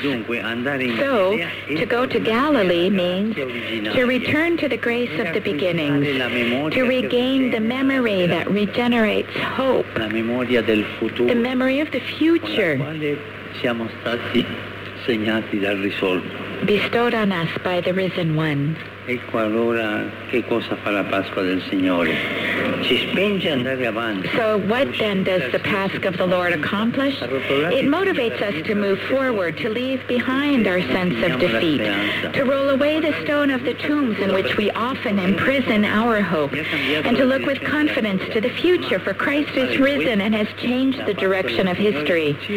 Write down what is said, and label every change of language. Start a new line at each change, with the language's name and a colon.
English: So, to go to Galilee means to return to the grace of the beginnings, to regain the memory that regenerates hope, the memory of the future bestowed on us by the Risen One.
Italian: Ecco allora che cosa fa la Pasqua del Signore. Ci spinge ad andare avanti.
English: So what then does the Pasch of the Lord accomplish? It motivates us to move forward, to leave behind our sense of defeat, to roll away the stone of the tombs in which we often imprison our hope, and to look with confidence to the future, for Christ is risen and has changed the direction of history.